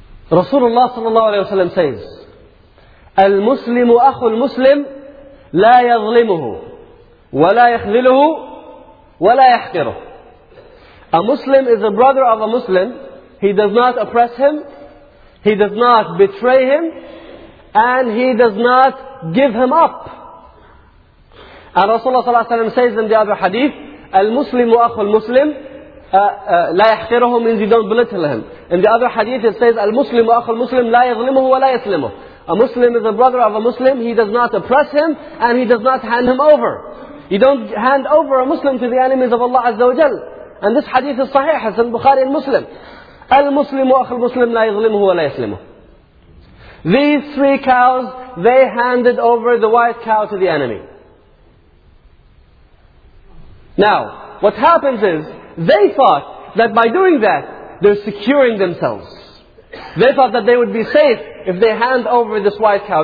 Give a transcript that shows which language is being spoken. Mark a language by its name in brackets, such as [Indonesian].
[English] Rasulullah sallallahu alayhi wa sallam says, [Arabic] المسلم أخو المسلم لا يظلمه ولا يخذله ولا يحقره. [English] A Muslim is a brother of a Muslim. He does not oppress him, he does not betray him, and he does not give him up. And Rasulullah صلى الله عليه وسلم says in the other hadith, [Arabic] المسلم أخو المسلم لا يحقره, [English] means you don't belittle him. In the other hadith it says, [Arabic] المسلم أخو المسلم لا يظلمه ولا يسلمه. [English] A Muslim is a brother of a Muslim, he does not oppress him, and he does not hand him over. You don't hand over a Muslim to the enemies of Allah Azza wa Jal. And this hadith is sahih, it's in Bukhari and Muslim. [Arabic] المسلم أخو المسلم لا يظلمه ولا يسلمه. [English] These three cows, they handed over the white cow to the enemy. Now, what happens is, they thought that by doing that, they're securing themselves. They thought that they would be safe if they hand over this white cow.